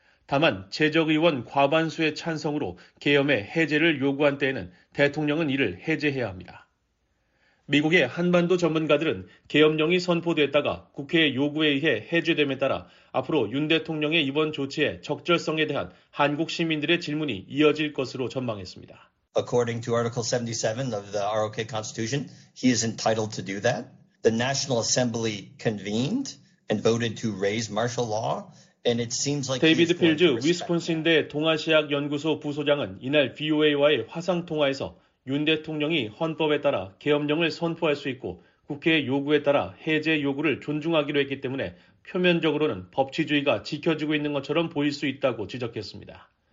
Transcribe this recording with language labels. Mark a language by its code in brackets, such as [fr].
[ko] 다만 재적의원 과반수의 찬성으로 계엄의 해제를 요구한 때에는 대통령은 이를 해제해야 합니다. 미국의 한반도 전문가들은 계엄령이 선포됐다가 국회의 요구에 의해 해제됨에 따라 앞으로 윤 대통령의 이번 조치의 적절성에 대한 한국 시민들의 질문이 이어질 것으로 전망했습니다. [en] according to Article 77 of the ROK Constitution, he is entitled to do that. The National Assembly convened and voted to raise martial law, and it seems like [ko] 데이비드 필즈 위스콘신대 동아시아학 연구소 부소장은 이날 VOA와의 화상 통화에서 윤 대통령이 헌법에 따라 계엄령을 선포할 수 있고 국회의 요구에 따라 해제 요구를 존중하기로 했기 때문에 표면적으로는 법치주의가 지켜지고 있는 것처럼 보일 수 있다고 지적했습니다.